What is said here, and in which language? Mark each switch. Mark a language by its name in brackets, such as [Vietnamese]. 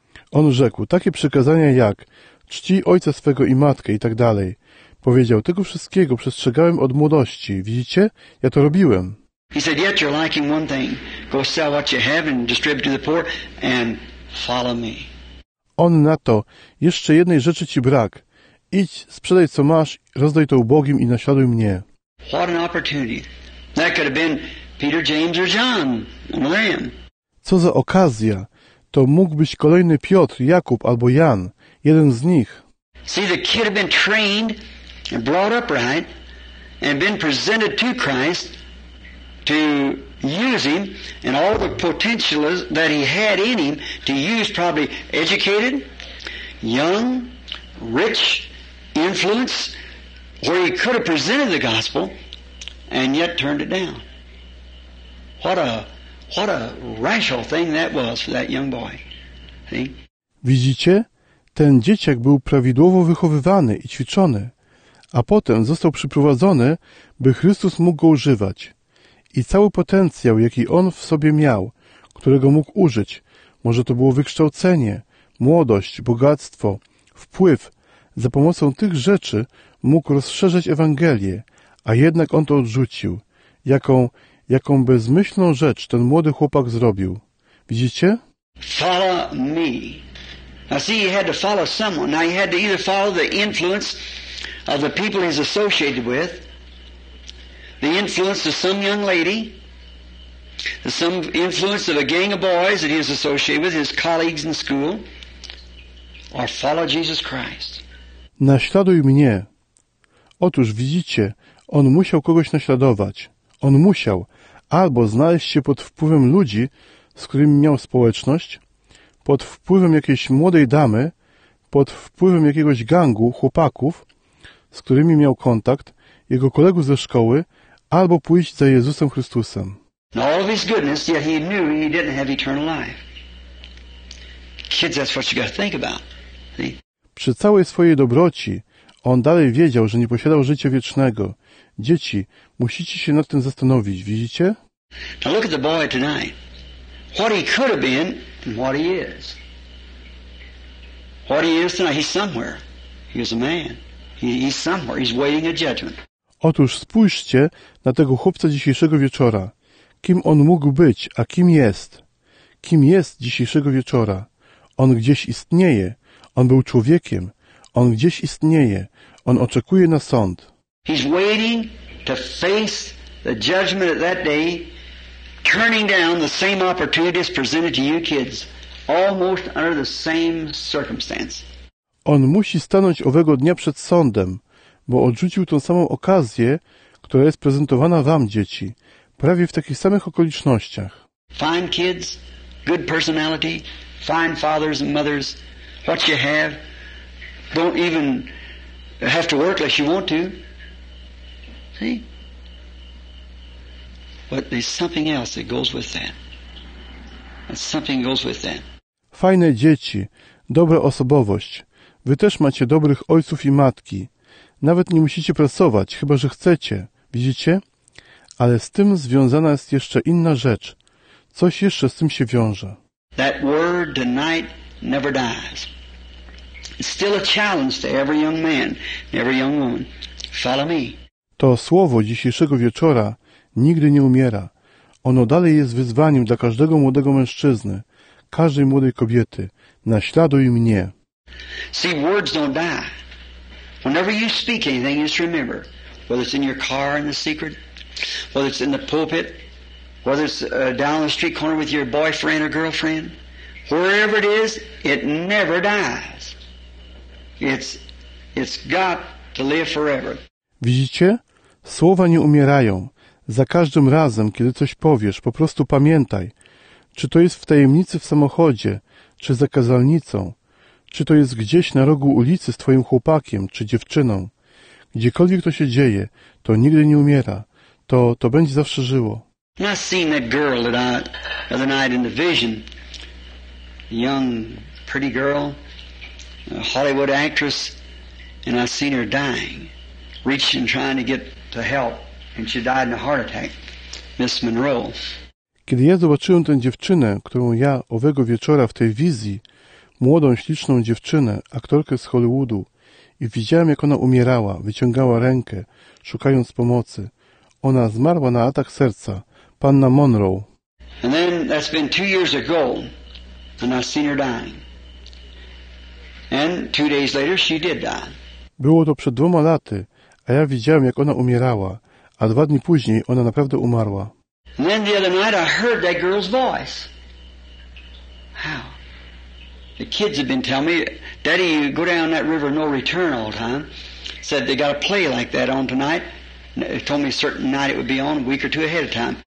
[Polish] On rzekł, takie przykazania jak, czcij ojca swego i matkę i tak dalej. Powiedział, tego wszystkiego przestrzegałem od młodości. Widzicie? Ja to robiłem. [English] He said, yet you're lacking one thing. Go sell what you have and distribute to the poor and follow me. [Polish] On na to, jeszcze jednej rzeczy ci brak. Idź, sprzedaj co masz, rozdaj to ubogim i naśladuj mnie. [English] What an opportunity. That could have been Peter, James or John on the land. [Polish] Co za okazja. To mógł być kolejny Piotr, Jakub albo Jan. Jeden z nich. [English] See, the kid had been trained and brought up right and been presented to Christ to use him and all the potential that he had in him to use, probably educated, young, rich, influence, where he could have presented the gospel and yet turned it down. What a rational thing that was for that young boy. See? [Polish] Widzicie? Ten dzieciak był prawidłowo wychowywany i ćwiczony, a potem został przyprowadzony, by Chrystus mógł go używać. I cały potencjał, jaki on w sobie miał, którego mógł użyć, może to było wykształcenie, młodość, bogactwo, wpływ, za pomocą tych rzeczy mógł rozszerzać Ewangelię, a jednak on to odrzucił. Jaką bezmyślną rzecz ten młody chłopak zrobił. Widzicie? [English] Follow me. Now see, he had to follow someone. Now he had to either follow the influence of the people he's associated with, the influence of some young lady, some influence of a gang of boys that he was associated with, his colleagues in school, or follow Jesus Christ. [Polish] Naśladuj mnie. Otóż widzicie, on musiał kogoś naśladować. On musiał albo znaleźć się pod wpływem ludzi, z którymi miał społeczność, pod wpływem jakiejś młodej damy, pod wpływem jakiegoś gangu, chłopaków, z którymi miał kontakt, jego kolegów ze szkoły, albo pójść za Jezusem Chrystusem. [English] In all of his goodness, yet he knew he didn't have eternal life. Kids, that's what you got to think about. [Polish] Przy całej swojej dobroci, on dalej wiedział, że nie posiadał życia wiecznego. Dzieci, musicie się nad tym zastanowić, widzicie? [English] Now look at the boy tonight. What he could have been and what he is. What he is tonight, he's somewhere. He was a man. He's somewhere. He's waiting a judgment. [Polish] Otóż spójrzcie na tego chłopca dzisiejszego wieczora. Kim on mógł być, a kim jest? Kim jest dzisiejszego wieczora? On gdzieś istnieje. On był człowiekiem. On gdzieś istnieje. On oczekuje na sąd. [English] He's waiting to face the judgment of that day, turning down the same opportunities presented to you kids, almost under the same circumstance. [Polish] On musi stanąć owego dnia przed sądem, bo odrzucił tą samą okazję, która jest prezentowana wam, dzieci, prawie w takich samych okolicznościach. [English] Fine kids, good personality, fine fathers and mothers, what you have, don't even have to work unless you want to. See? But there's something else that goes with that. Something goes with that. [Polish] Fajne dzieci, dobra osobowość. Wy też macie dobrych ojców i matki. Nawet nie musicie pracować, chyba że chcecie. Widzicie? Ale z tym związana jest jeszcze inna rzecz. Coś jeszcze z tym się wiąże. [English] That word tonight never dies. It's still a challenge to every young man, every young woman. Follow me. [Polish] To słowo dzisiejszego wieczora nigdy nie umiera. Ono dalej jest wyzwaniem dla każdego młodego mężczyzny, każdej młodej kobiety. Naśladuj mnie. [English] See, words don't die. Whenever you speak anything, just remember, whether it's in your car in the secret, whether it's in the pulpit, whether it's down the street corner with your boyfriend or girlfriend, wherever it is, it never dies. It's got to live forever. [Polish] Widzicie? Słowa nie umierają. Za każdym razem, kiedy coś powiesz, po prostu pamiętaj, czy to jest w tajemnicy w samochodzie, czy za kazalnicą, czy to jest gdzieś na rogu ulicy z twoim chłopakiem, czy dziewczyną. Gdziekolwiek to się dzieje, to nigdy nie umiera. To będzie zawsze żyło. [English] I seen that girl that I, the other night in the vision. A young, pretty girl, a Hollywood actress, and I seen her dying, reaching, trying to get to help, and she died in a heart attack. Miss Monroe. [Polish] Kiedy ja zobaczyłem tę dziewczynę, którą ja owego wieczora w tej wizji, młodą, śliczną dziewczynę, aktorkę z Hollywoodu, i widziałem, jak ona umierała, wyciągała rękę, szukając pomocy. Ona zmarła na atak serca. Panna Monroe. [English] And then that's been 2 years ago, and I seen her dying. And 2 days later, she did die. [Polish] Było to przed 2 laty, a ja widziałem, jak ona umierała, a 2 dni później ona naprawdę umarła. [English] And then the other night, I heard that girl's voice. How? The kids have been telling me, Daddy, you go down that river, no return all the time. Said they got a play like that on tonight. They told me a certain night it would be on, a week or two ahead of time.